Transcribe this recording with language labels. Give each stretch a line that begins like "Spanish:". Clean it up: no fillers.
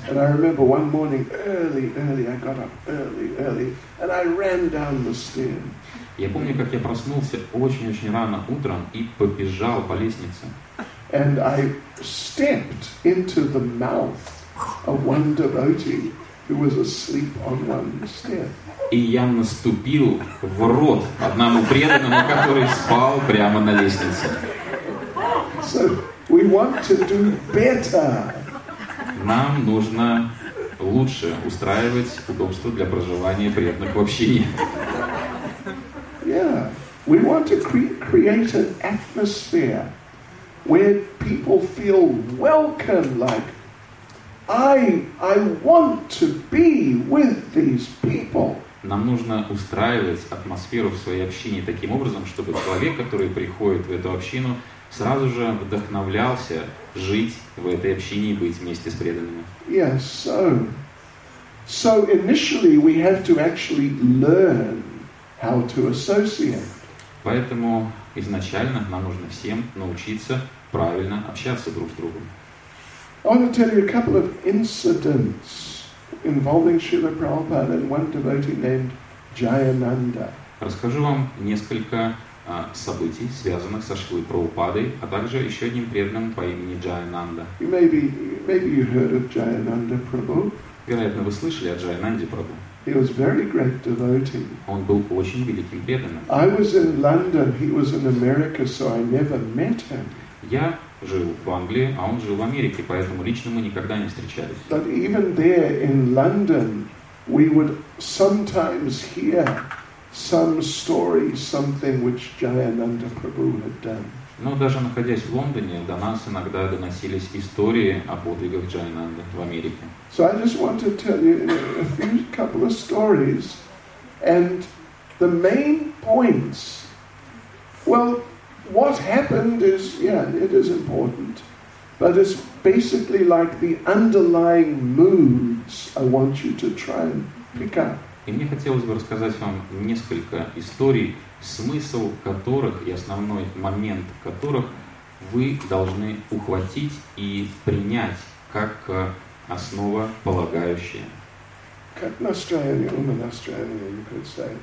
English: And I remember one morning early, I got up early, and I ran down the stairs.
Russian: Я помню, как я проснулся очень-очень рано утром и побежал по лестнице.
English: And I stepped into the mouth of one devotee who was asleep on one step.
Russian: И я наступил в рот одному преданному, который спал прямо на лестнице.
English: So we want to do better.
Russian: Нам нужно лучше устраивать удобство для проживания преданных в общине.
English: Yeah, we want to create an atmosphere where people feel welcome. Like I want to be with these people.
Russian: Нам нужно устраивать атмосферу в своей общине таким образом, чтобы человек, который приходит в эту общину, сразу же вдохновлялся жить в этой общине и быть вместе с преданными.
English: Yeah, so initially we have to actually learn how to associate.
Russian: Поэтому изначально нам нужно всем научиться правильно общаться друг с другом.
English: I want to tell you a couple of incidents involving Srila Prabhupada and one devotee named Jayananda.
Russian: Расскажу вам несколько событий, связанных со Шрилой Прабхупадой, а также еще одним преданным по имени Джаянанда.
English: Maybe you heard of Jayananda Prabhu.
Russian: Вероятно, вы слышали о Джаянанде Прабху.
English: He was very great devotee.
Russian: Он был очень великим преданным.
English: I was in London, he was in America, so I never met him.
Russian: Я жил в Англии, а он жил в Америке, поэтому лично мы никогда не встречались.
English: But even there in London, we would sometimes hear some story, something which Jayananda Prabhu had done.
Russian: Но даже находясь в Лондоне, до нас иногда доносились истории о подвигах Джайананды в Америке.
English: So I just want to tell you a few couple of stories, and the main points. Well, what happened is, yeah, it is important, but it's basically like the underlying moods I want you to try and pick up.
Russian: И мне хотелось бы рассказать вам несколько историй, смысл которых и основной момент которых вы должны ухватить и принять как основополагающее. Как настроение, ума настроение,
English: you could say.